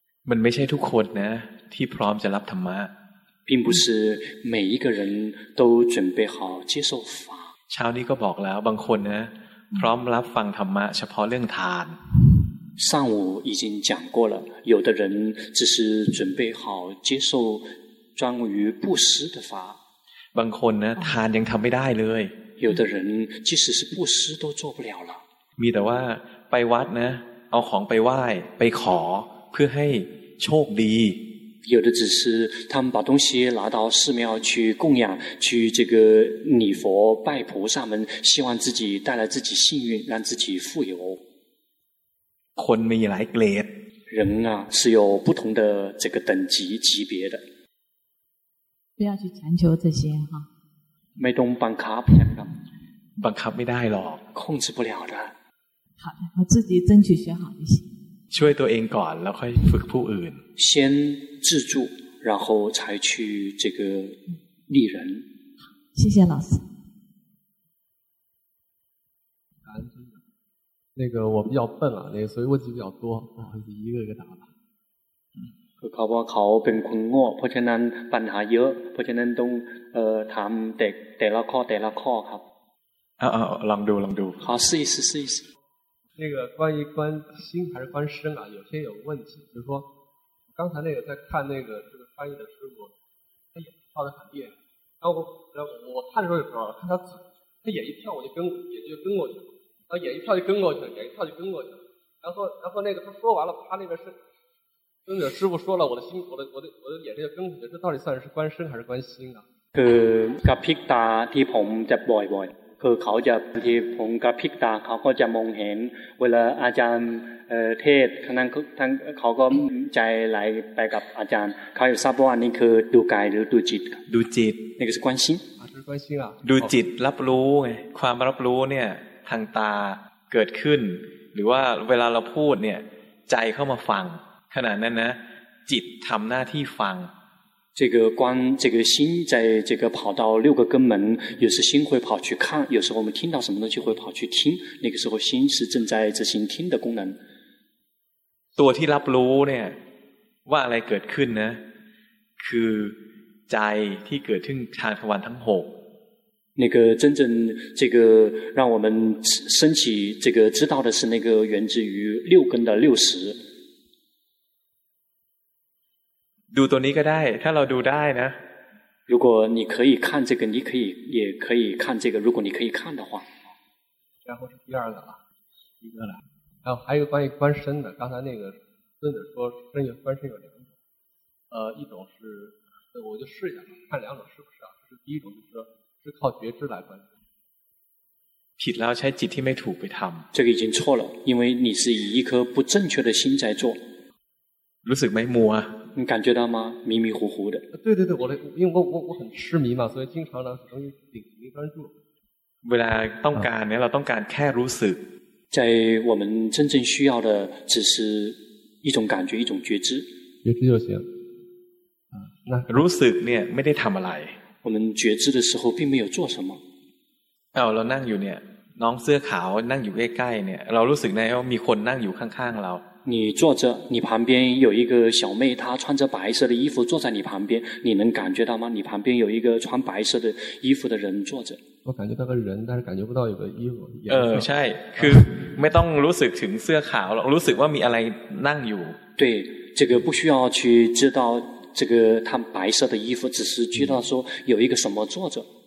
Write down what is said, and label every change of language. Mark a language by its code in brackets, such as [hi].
[th] มันไม่ใช่ทุกคนนะที่พร้อมจะรับธรรมะ [zh] 并不是每一个人都准备好接受法。 [th] เช้านี้ก็บอกแล้วบางคนนะพร้อมรับฟังธรรมะเฉพาะเรื่องทาน [zh] 上午已经讲过了有的人只是准备好接受专于布施的法 [th] บางคนนะทานยังทำไม่ได้เลย [zh] 有的人即使是布施都做不了了 [th] มีแต่ว่าไปวัดนะเอาของไปไหว้ไปขอเพื่อให้โชคดี [zh] 有的只是他们把东西拿到寺庙去供养，去这个礼佛拜菩萨们，希望自己带来自己幸运，让自己富有。 [th] คนมีหลายเกรด [zh] 人啊是有不同的这个等级级别的。不要去强求这些哈。 [th] ไม่ต้องบังคับนะครับ บังคับไม่ได้หรอก [zh] 控制不了的。好的，我自己争取学好就行。 [th] ช่วยตัวเองก่อนแล้วค่อยฝึกผู้อื่น [zh] 先自助然后才去这个利人谢谢老师感恩尊者那个我比较笨啊那个所以问题比较多我还是一个一个答吧 [th] เขาว่าเขาเป็นคนโง่เพราะฉะนั้นปัญหาเยอะเพราะฉะนั้นต้องถามแต่ละข้อแต่ละข้อครับ ลองดูลองดู เขา [zh] 试一试那个关于观心还是观身啊有些有问题就是说刚才那个在看那个这个翻译的师傅他眼睛跳得很厉害然后我看的时候也不知道看他走他眼一跳我就跟眼睛就跟过去了然后眼一跳就跟过去了眼一跳就跟过去了然后那个他说完了他那边是跟着师傅说了我的眼睛就跟过去了这到底算是观身还是观心啊 [th] คือกับพิกตาที่ผมจะบ่อยคือเขาจะบางทีผมกับพิกตาเขาก็จะมองเห็นเวลาอาจารย์เทศครั้งนั้นทั้งเขาก็ใจไหลไปกับอาจารย์เขาจะทราบว่าอันนี้คือดูกายหรือดูจิต ดูจิต นี่คือ [zh] 关心关心啊 [th] ดูจิตรับรู้ไงความรับรู้เนี่ยทางตาเกิดขึ้นหรือว่าเวลาเราพูดเนี่ยใจเข้ามาฟังขณะนั้นนะจิตทำหน้าที่ฟัง [zh] 这个观这个心在这个跑到六个根门有时心会跑去看有时候我们听到什么东西会跑去听那个时候心是正在执行听的功能 [th] ตัวที่รับรู้เนี่ยว่าอะไรเกิดขึ้นนะคือใจที่เกิดขึ้นทางทวารทั้ง6 [zh] 那个真正这个让我们升起这个知道的是那个源自于六根的六识 [th] ดูตัวนี้ก็ได้ถ้าเราดูได้นะ [zh] 如果你可以看这个你可以也可以看这个如果你可以看的话然后是第二个啊一个了然后还有关于观身的刚才那个孙子说身有观身有两种一种是我就试一下看两种是不是啊就是第一种就是是靠觉知来观身 [th] ผิดแล้วใช้จิตที่ไม่ถูกไปทำ [zh] 这个已经错了因为你是以一颗不正确的心在做 [th] รู้สึกไหมมัว [zh] 你感觉到吗？迷迷糊糊的。对对对，我因为我很痴迷嘛，所以经常呢容易顶没专注。 [th] เวลา ต้องการ เนี่ย เรา ต้องการ แค่ รู้สึก [zh] 在我们真正需要的只是一种感觉，一种觉知。觉知就行。那 [th] รู้สึกเนี่ยไม่ได้ทำอะไร。 [zh] 我们觉知的时候并没有做什么。 [th] เรานั่งอยู่เนี่ยน้องเสื้อขาวนั่งอยู่ใกล้ๆเนี่ยเรารู้สึกไหมว่ามีคนนั่งอยู่ข้างๆเรา [zh] 你坐着你旁边有一个小妹她穿着白色的衣服坐在你旁边你能感觉到吗你旁边有一个穿白色的衣服的人坐着我感觉到个人但是感觉不到有个衣服 [th] ใช่คือไม่ต้องรู้สึกถึงเสื้อขาวหรอกรู้สึกว่ามีอะไรนั่งอยู่ [zh] 对这个不需要去知道这个他白色的衣服，只是知道说有一个什么坐着。